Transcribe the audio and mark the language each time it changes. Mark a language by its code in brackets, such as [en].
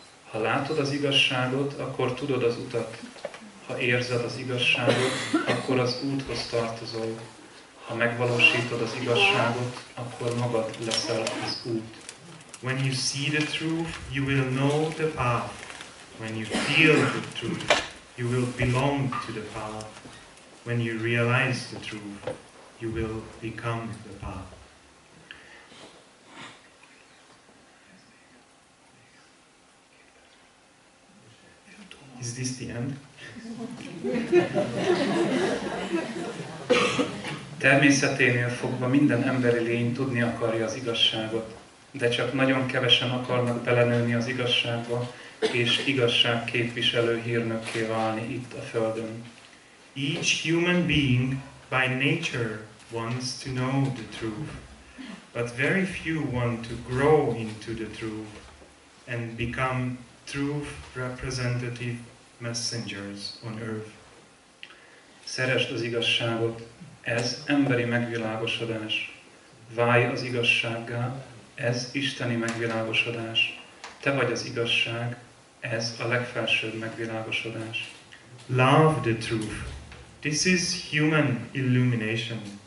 [hu] Ha látod az igazságot, akkor tudod az utat. Ha érzed az igazságot, akkor az úthoz tartozol. Ha megvalósítod az igazságot, akkor magad leszel az út. [en] When you see the truth, you will know the path. When you feel the truth, you will belong to the path. When you realize the truth, you will become the path. Is this the end? [hu] Természeténél fogva minden emberi lény tudni akarja az igazságot. De csak nagyon kevesen akarnak belenőni az igazságba, és igazság képviselő hírnökké válni itt a Földön. [en] Each human being by nature wants to know the truth, but very few want to grow into the truth and become truth representative messengers on earth. [hu] Szeresd az igazságot, ez emberi megvilágosodás. Válj az igazsággá, ez isteni megvilágosodás. Te vagy az igazság, ez a legfelsőbb megvilágosodás. [en] Love the truth. This is human illumination.